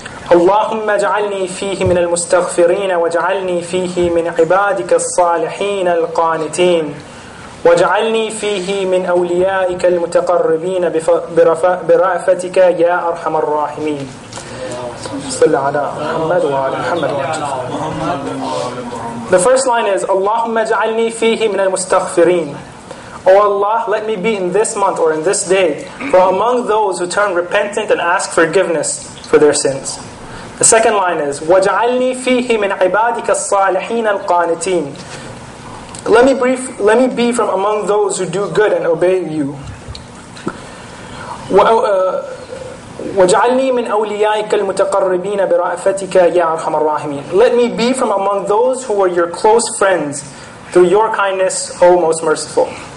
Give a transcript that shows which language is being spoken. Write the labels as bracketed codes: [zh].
[ar] اللهم اجعلني فيه من المستغفرين واجعلني فيه من عبادك الصالحين القانتين واجعلني فيه من أوليائك المتقربين برأفتك يا أرحم الراحمين. صل على محمد وعلى محمد. [en] The first line is [ar] اللهم اجعلني فيه من المستغفرين. [en] O Allah, let me be in this month or in this day for among those who turn repentant and ask forgiveness for their sins. The second line is [ar] وَجَعَلْنِي فِيهِ مِنْ عِبَادِكَ الصَّالِحِينَ الْقَانِتِينَ. [en] Let me be from among those who do good and obey you. [ar] وَجَعَلْنِي مِنْ أَوْلِيَائِكَ الْمُتَقَرِّبِينَ بِرَأْفَتِكَ يَا أَرْحَمَ الرَّاحِمِينَ. [en] Let me be from among those who are your close friends through your kindness, O Most Merciful.